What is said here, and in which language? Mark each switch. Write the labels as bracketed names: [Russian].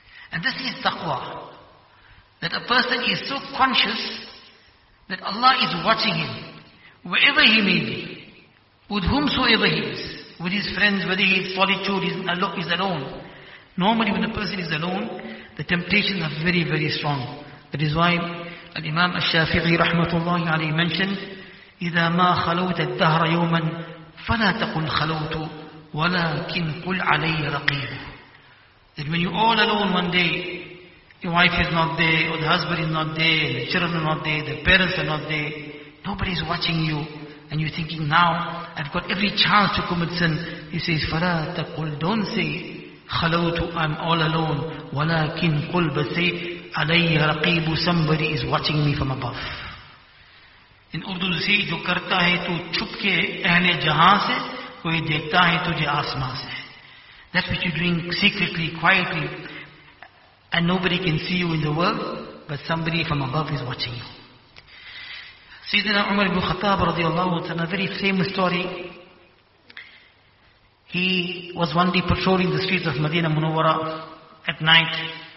[English] And this is taqwa, that a person is so conscious that Allah is watching him, wherever he may be, with whomsoever he is, with his friends, whether he is solitude, is alone. Normally when a person is alone, the temptations are very, very strong. That is why Imam al-Shafi'i rahmatullahi alayhi mentioned, [Arabic] إِذَا مَا خَلَوْتَ الدَّهْرَ يَوْمًا فَلَا تَقُلْ خَلَوْتُ وَلَكِنْ قُلْ عَلَيَّ رَقِيبًا. [English] That when you're all alone one day, your wife is not there, or the husband is not there, the children are not there, the parents are not there, nobody is watching you, and you're thinking, now I've got every chance to commit sin. He says, [Arabic] فَلَا تَقُلْ, [English] don't say, [Arabic] خَلَوْتُ, [English] I'm all alone, [Arabic] وَلَكِنْ قُلْ, [English] but say, [Arabic] عَلَيَّ رَقِيبُ, [English] somebody is watching me from above. In Urdu, you see, [Urdu] جو کرتا ہے تو چھپ کے اہل جہاں سے کوئی دیکھتا ہے تجھے آسمان سے. [English] That which you're doing secretly, quietly, and nobody can see you in the world, but somebody from above is watching you. Sayyidina Umar ibn Khattab رضي الله عنه, a very famous story. He was one day patrolling the streets of Medina Munawwara at night.